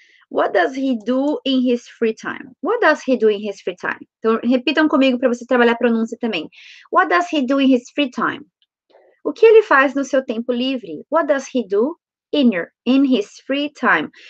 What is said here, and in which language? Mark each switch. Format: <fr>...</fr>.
<en>What does he do in his free time? What does he do in his free time?</en> <pt>Então, repitam comigo para você trabalhar a pronúncia também.</pt> <en>What does he do in his free time?</en> <pt>O que ele faz no seu tempo livre?</pt> <en>What does he do in his free time?</en>